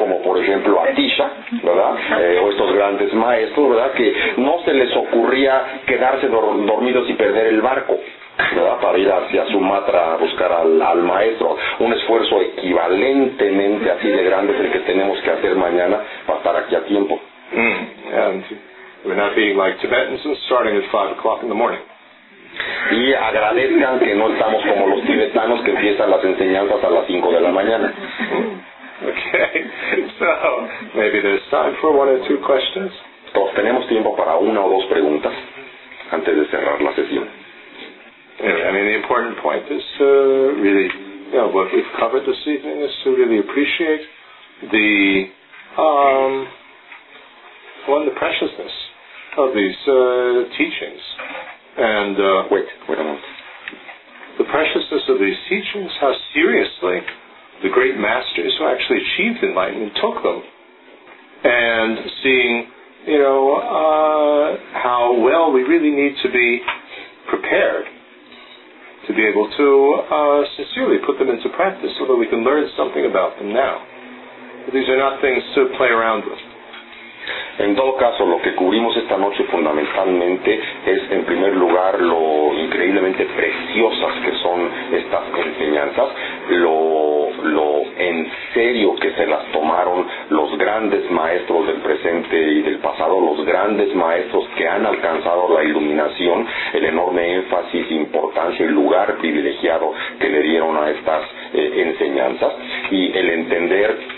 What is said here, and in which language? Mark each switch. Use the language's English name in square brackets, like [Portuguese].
[Spanish] Como por ejemplo Atisha, ¿verdad? O estos grandes maestros, ¿verdad? Que no se les ocurría quedarse dormidos y perder el barco, ¿verdad? Para ir hacia Sumatra a buscar al maestro. Un esfuerzo equivalentemente así de grande es el que tenemos que hacer mañana para estar aquí a tiempo. [English] And we're not being like Tibetans and starting at 5 o'clock in the morning. [Spanish] y agradezcan que no estamos como los tibetanos que empiezan las enseñanzas a las 5 de la mañana. [English] Okay, so maybe there's time for one or two questions. [Spanish] Entonces, tenemos tiempo para una o dos preguntas antes de cerrar la sesión. [English] Anyway, I mean, the important point is really, you know, what we've covered this evening is to really appreciate the the preciousness of these teachings. And wait a moment. The preciousness of these teachings, how seriously the great masters who actually achieved enlightenment took them, and seeing, you know, how well we really need to be prepared to be able to sincerely put them into practice so that we can learn something about them now. But these are not things to play around with. [Spanish] En todo caso, lo que cubrimos esta noche fundamentalmente es, en primer lugar, lo increíblemente preciosas que son estas enseñanzas, lo en serio que se las tomaron los grandes maestros del presente y del pasado, los grandes maestros que han alcanzado la iluminación, el enorme énfasis, importancia y lugar privilegiado que le dieron a estas enseñanzas, y el entender